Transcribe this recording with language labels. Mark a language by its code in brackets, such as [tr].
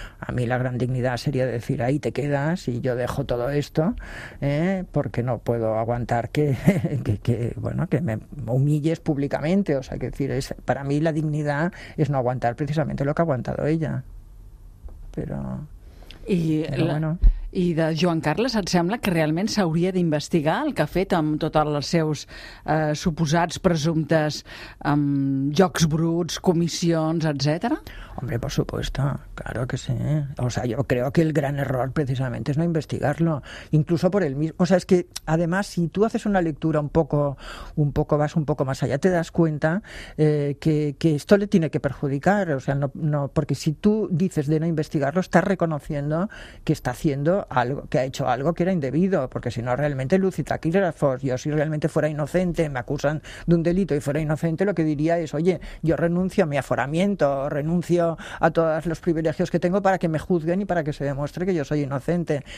[es] A mí la gran dignidad sería decir, ahí te quedas y yo dejo todo esto, porque no puedo aguantar que me humilles públicamente. O sea, que decir, para mí la dignidad es no aguantar precisamente lo que ha aguantado ella. Pero bueno... [ca] I de Joan Carles, et sembla que realment s'hauria d'investigar el que ha fet amb tots els seus suposats presumptes jocs bruts, comissions, etcètera? [es] Hombre, por supuesto, claro que sí. O sea, yo creo que el gran error precisamente es no investigarlo, incluso por el mismo. O sea, es que además si tú haces una lectura un poco vas un poco más allá, te das cuenta que esto le tiene que perjudicar. O sea, no, porque si tú dices de no investigarlo, estás reconociendo que está haciendo algo, que ha hecho algo que era indebido, porque si no realmente Lucy Taquilerafos, yo si realmente fuera inocente, me acusan de un delito y fuera inocente, lo que diría es, oye, yo renuncio a mi aforamiento, renuncio a todos los privilegios que tengo para que me juzguen y para que se demuestre que yo soy inocente.